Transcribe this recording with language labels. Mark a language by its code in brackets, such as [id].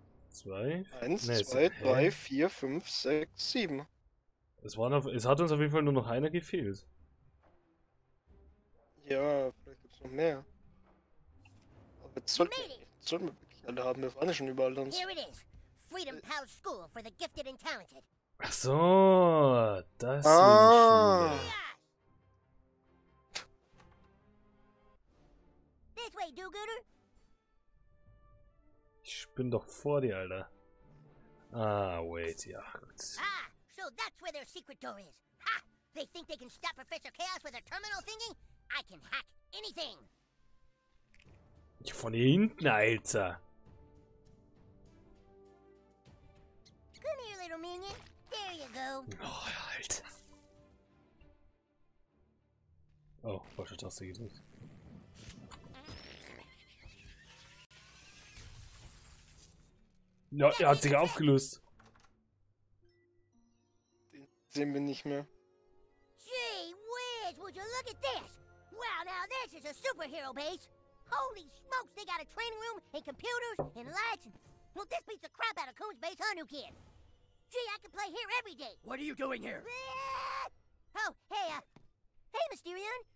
[de] 2. 1, Ne, 2, hä? 3, 4, 5, 6, 7. Es hat uns auf jeden Fall nur noch einer gefehlt. Ja, vielleicht gibt es noch mehr. Aber jetzt sollten wir wirklich alle haben. Wir waren ja schon überall sonst. [en] Here it is. Freedom Pals School for the Gifted and Talented. [de] Ach so, das ist die Ah. Schule. [en] This way, do-gooder. [de] Ich bin doch vor dir, Alter. Ah, wait, ja, gut. [en] Ah, so that's where their secret door is. Ha! They think they can stop Professor Chaos with their terminal thinking? I can hack anything. [de] Von hinten, Alter. [en] Come here, little minion. There you go. [de] Oh, halt. Oh, falsche Taste gedrückt. Ja, er hat sich aufgelöst. Den sehen wir nicht mehr. [en] Gee whiz, would you look at this? Well, now this is a superhero base. Holy smokes, they got a training room and computers and lights. Well, this beats the crap out of Coon's base, huh, new kid? Gee, I can play here every day. What are you doing here? Oh, hey, hey, Mysterion.